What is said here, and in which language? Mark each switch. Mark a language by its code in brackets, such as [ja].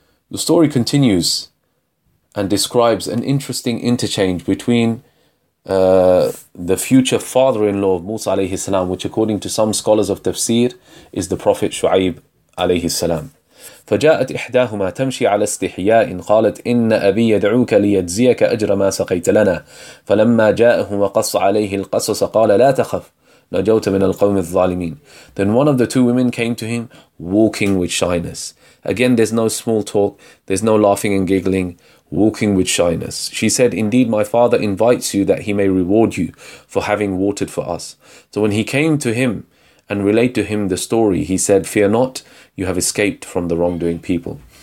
[en] The story continues and describes an interesting interchange between the future father-in-law of Musa alayhi salam, which according to some scholars of tafsir is the Prophet Shu'aib alayhi salam. [ar] فجاءت إحداهما تمشي على استحياء قالت إن أبي يدعوك ليجزيك أجر ما سقيت لنا فلما جاءه وقص عليه القصص قال لا تخف نجوت من القوم الظالمين. [en] Then one of the two women came to him walking with shyness. Again, there's no small talk, there's no laughing and giggling. Walking with shyness. She said, indeed, my father invites you that he may reward you for having watered for us. So when he came to him and relayed to him the story, he said, fear not, you have escaped from the wrongdoing people.